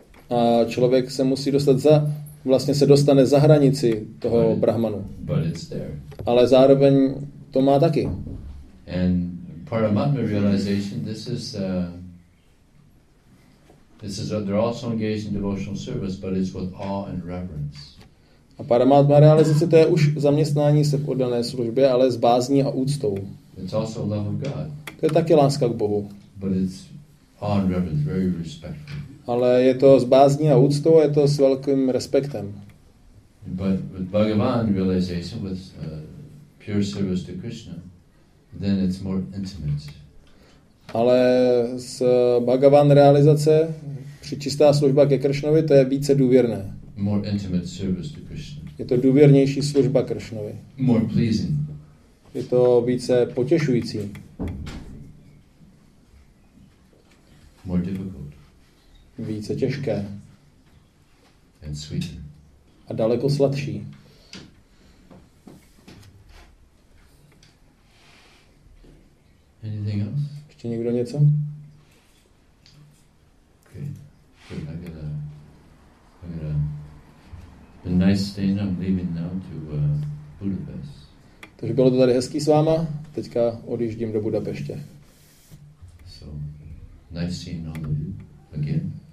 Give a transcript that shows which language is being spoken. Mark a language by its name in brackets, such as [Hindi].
[Czech] A člověk se musí dostat za, vlastně se dostane za hranici toho Brahmanu. [English] But it's there. [Czech] Ale zároveň to má taky. [English] And Paramatma realization, this is they're also engaged in devotional service, but it's with awe and reverence. [Czech] A Paramatma realizace, to je už zaměstnání se v oddané službě, ale s bázní a úctou. [English] It's also love of God. [Czech] To je taky láska k Bohu. [English] But it's awe and reverence, very respectful. [Czech] Ale je to s bázní a úctou, je to s velkým respektem. [English] But with Bhagavan realization, with pure service to Krishna, then it's more intimate. [Czech] Ale s Bhagavan realizace, při čistá služba ke Kršnovi, to je více důvěrné. [English] More intimate service to Krishna. [Czech] Je to důvěrnější služba Kršnovi. [English] More pleasing. [Czech] Je to více potěšující. [English] More difficult. [Czech] Více těžké. [English] And sweeter. [Czech] A daleko sladší. [English] Anything else? [Czech] Ještě někdo něco? [English] Okay. Good. I got a nice day and I'm leaving now to Budapest. [Czech] Takže bylo to tady hezký s váma. Teďka odjíždím do Budapeště. [English] So, nice seeing all of you again.